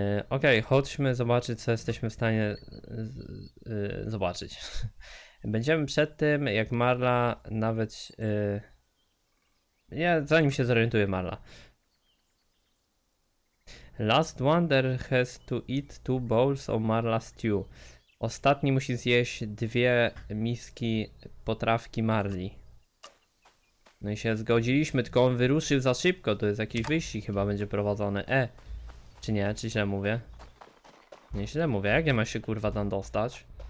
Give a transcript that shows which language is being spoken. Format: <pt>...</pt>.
<pl>Okej, chodźmy zobaczyć, co jesteśmy w stanie zobaczyć. Będziemy przed tym, jak Marla nawet... Nie, zanim się zorientuje Marla.</pl> <en>Last wonder has to eat two bowls of Marla stew.</en> <pl>Ostatni musi zjeść dwie miski potrawki Marli. No i się zgodziliśmy, tylko on wyruszył za szybko. To jest jakiś wyścig chyba będzie prowadzony. Czy nie? Czy źle mówię? Nie źle mówię. Jak ja mam się kurwa tam dostać?</pl>